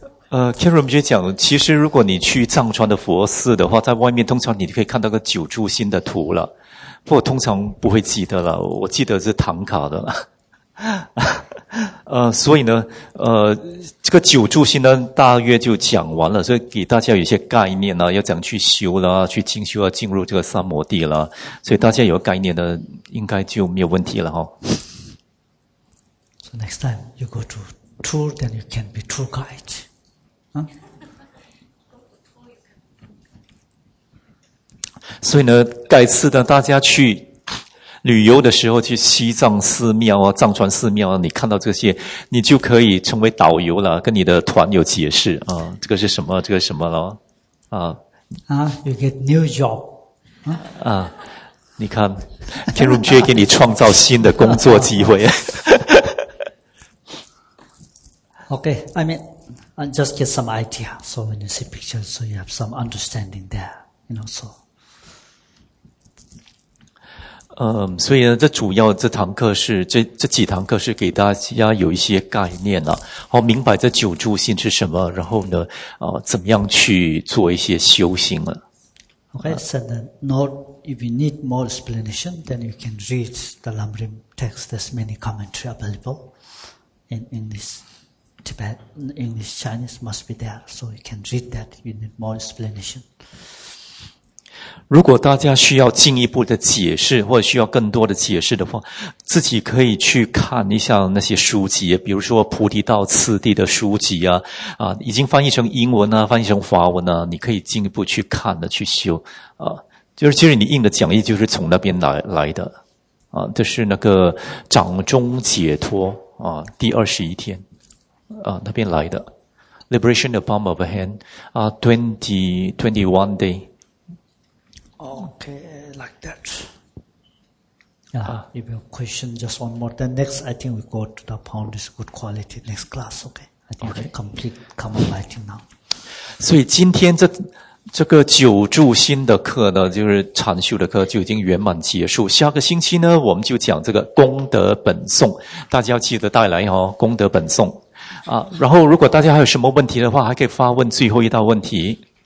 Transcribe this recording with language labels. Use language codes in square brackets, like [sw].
[zh] Karen 就讲，其实如果你去藏传的佛寺的话，在外面通常你可以看到个九柱心的图了，不过通常不会记得了，我记得是唐卡的了。所以呢，这个九柱心呢，大约就讲完了，所以给大家有一些概念要怎样去修了，去进修进入这个三摩地了，所以大家有概念的，应该就没有问题了哦。 [en] So next time you go to tour, then you can be tour guide. [zh] So, 呢，改次呢，大家去。旅游的时候去西藏寺庙啊，藏传寺庙啊，你看到这些，你就可以成为导游了，跟你的团友解释啊，这个是什么，这个是什么了， [en] You get new job. [zh] 你看，天如觉给你创造新的工作机会。 [en] Okay, I mean, I just get some idea. So when you see pictures, so you have some understanding there, you know. So, [zh] 所以呢，这主要这堂课是这几堂课是给大家有一些概念了、啊，好明白这九住性是什么，然后呢，怎么样去做一些修行了、 [en] 啊。Okay, so then, not if you need more explanation, then you can read the Lamrim text. There's many commentary available in English. Tibet, English, Chinese must be there, so you can read that. You need more explanation. [zh] 如果大家需要进一步的解释，或者需要更多的解释的话，自己可以去看一下那些书籍，比如说《菩提道次第》的书籍啊，啊，已经翻译成英文啊，翻译成法文啊，你可以进一步去看的，去修啊。就是其实你印的讲义就是从那边来的啊，这、就是那个《掌中解脱》啊，第二十一天。那边来的 Liberation of Palm of Hand 啊、21 day [en] Okay, like that. Yeah, if you have question, just one more. Then next, I think we go to the pound is good quality next class. Okay, I think we complete common lighting now. [zh] 所以今天这个九住心的课呢，就是禅修的课就已经圆满结束。下个星期呢，我们就讲这个功德本颂，大家要记得带来哦，功德本颂。啊，然后如果大家还有什么问题的话，还可以发问最后一道问题。